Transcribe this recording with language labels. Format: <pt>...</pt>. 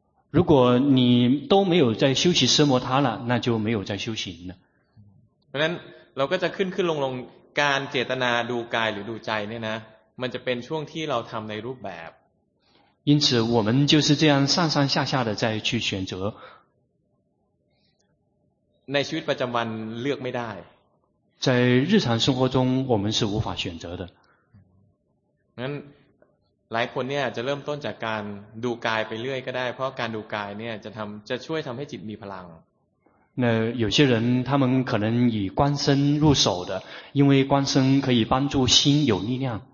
<zh>如果你都没有在修习奢摩他了，那就没有在修行了。</zh> <th>เพราะฉะนั้นเราก็จะขึ้นลงการเจตนาดูกายหรือดูใจเนี่ยนะมันจะเป็นช่วงที่เราทำในรูปแบบ。</th> <zh>因此我们就是这样上上下下的再去选择。</zh> <th>ในชีวิตประจำวันเลือกไม่ได้。</th> <zh>在日常生活中我们是无法选择的。</zh> <th>นั้นหลายคนเนี่ยจะเริ่มต้นจากการดูกายไปเรื่อยก็ได้เพราะการดูกายเนี่ยจะช่วยทำให้จิตมีพลัง。</th> <zh>那有些人他们可能以观身入手的，因为观身可以帮助心有力量。</zh>